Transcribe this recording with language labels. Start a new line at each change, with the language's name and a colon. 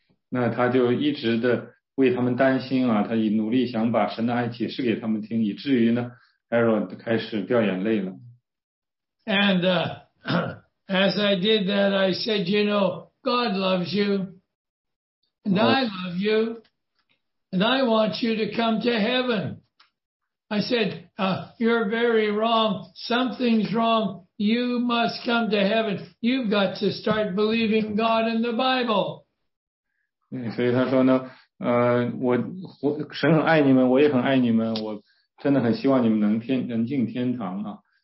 Chinese: 那他就一直的为他们担心啊，他也努力想把神的爱解释给他们听，以至于呢 ，Aaron 开始掉眼泪了。
English: And as I did that, I said, you know, God loves you, and I love you. And I want you to come to heaven. I said, you're very wrong. Something's wrong. You must come to heaven. You've got to start believing God in the Bible.
Chinese: 所以他说呢，我神很爱你们，我也很爱你们，我真的很希望你们能进天堂啊。